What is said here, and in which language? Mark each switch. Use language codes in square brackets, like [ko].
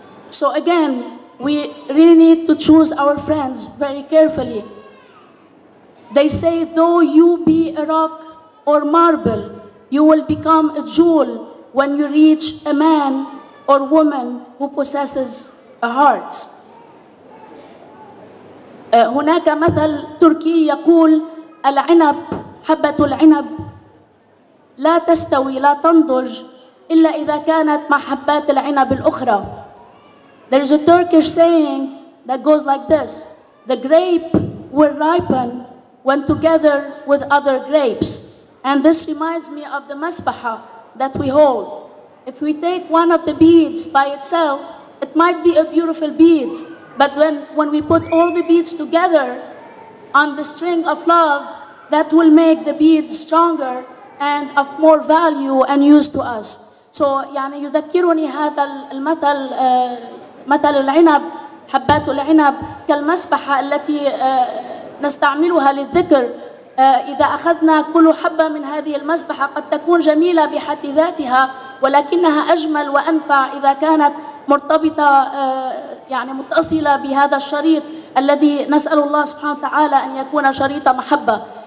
[en] So again, we really need to choose our friends very carefully. They say, though you be a rock or marble, you will become a jewel when you reach a man or woman who possesses a heart. [ar] هناك مثل تركي يقول العنب حبة العنب لا تستوي لا تنضج إلا إذا كانت مع حبات العنب الأخرى. [en] There is a Turkish saying that goes like this: the grape will ripen when together with other grapes. And this reminds me of the masbaha that we hold. If we take one of the beads by itself, it might be a beautiful bead. But when we put all the beads together on the string of love, that will make the beads stronger and of more value and use to us. [ar] So, يعني يذكرني هذا المثل مثل العنب حبات العنب كالمسبحة التي نستعملها للذكر. إذا أخذنا كل حبة من هذه المسبحة قد تكون جميلة بحد ذاتها ولكنها أجمل وأنفع إذا كانت مرتبطة يعني متصلة بهذا الشريط الذي نسأل الله سبحانه وتعالى أن يكون شريط محبة.